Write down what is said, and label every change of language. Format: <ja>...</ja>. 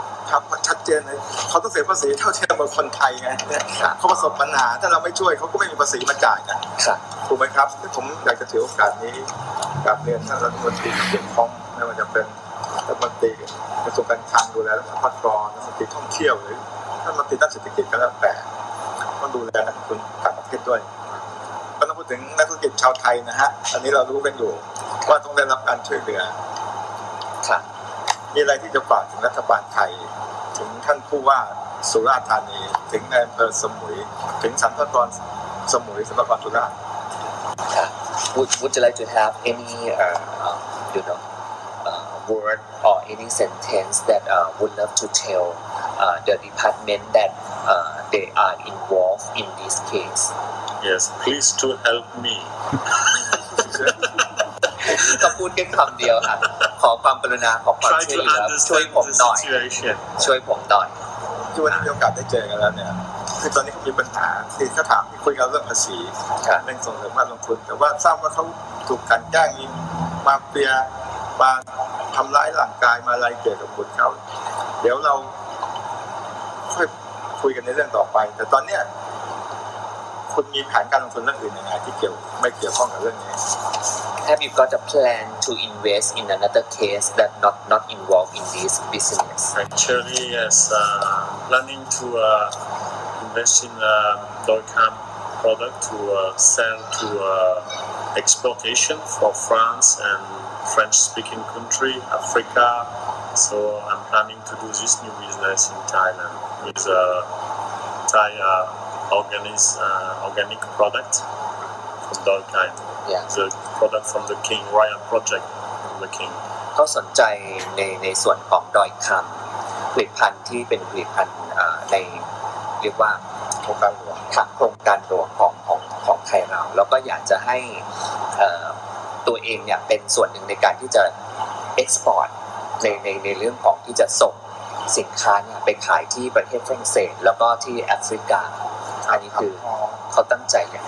<th>ครับชัดเจนเลยเขาต้องเสียภาษีเท่าเทียมกับคนไทยไงเขาประสบปัญหาถ้าเราไม่ช่วยเขาก็ไม่มีภาษีมาจ่ายนะถูกไหมครับที่ผมอยากจะถือโอกาสนี้กับเรียนท่านรัฐมนตรีเกี่ยวข้องไม่ว่าจะเป็นรัฐมนตรีกระทรวงการคลังดูแลรัฐบาลกรรัฐมนตรีท่องเที่ยวหรือถ้ามาติดตั้งเศรษฐกิจก็แล้วแต่ต้องดูแลนักทุนต่างประเทศด้วยก็ต้องพูดถึงนักธุรกิจชาวไทยนะฮะอันนี้เรารู้กันอยู่ว่าต้องได้รับการช่วยเหลือ ค่ะ มีอะไรที่จะฝากถึงรัฐบาลไทยถึงท่านผู้ว่าสุราษฎร์ธานีถึงนายอำเภอสมุยถึงสรรพากรสมุยสรรพากรสุราษฎร์ค่ะ</th> <en>Would you like to have any you know word or any sentence that would love to tellthe department that they are involved in this case. Yes, please to help me.</en> <th>ก็พูดแค่คำเดียวค่ะขอความกรุณาขอความช่วยเหลือช่วยผมหน่อยช่วยผมหน่อย คือวันนี้มีโอกาสได้เจอกันแล้วเนี่ยคือตอนนี้เขามีปัญหาที่ถ้าถามคุยกันเรื่องภาษีเรื่องส่งเสริมการลงทุนแต่ว่าทราบว่าเขาถูกกันแกล้งมาเปียมาทำร้ายร่างกายมาอะไรเกี่ยวกับคนเขาเดี๋ยวเราคุยกันในเรื่องต่อไปแต่ตอนนี้คุณมีแผนการลงทุนเรื่องอื่นยังไงที่เกี่ยวไม่เกี่ยวข้องกับเรื่องนี้</th> <en>Have you got a plan to invest in another case that not involved in this business? Actually, yes. Planning to invest in Dorcam product to sell to exportation for France and French-speaking country, Africa. So I'm planning to do this new business in Thailand. With a Thai organic product from that kind. Yeah. The product from the King Royal Project from the King.</en> <th>เขาสนใจในส่วนของดอยคำผลิตภัณฑ์ที่เป็นผลิตภัณฑ์ในเรียกว่า โครงการหลวง โครงการหลวงของไทยเราแล้วก็อยากจะให้ตัวเองเนี่ยเป็นส่วนหนึ่งในการที่จะเอ็กซ์พอร์ตในเรื่องของที่จะส่งสินค้าเนี่ยไปขายที่ประเทศฝรั่งเศสแล้วก็ที่แอฟริกาอันนี้คือเขาตั้งใจอย่าง</th>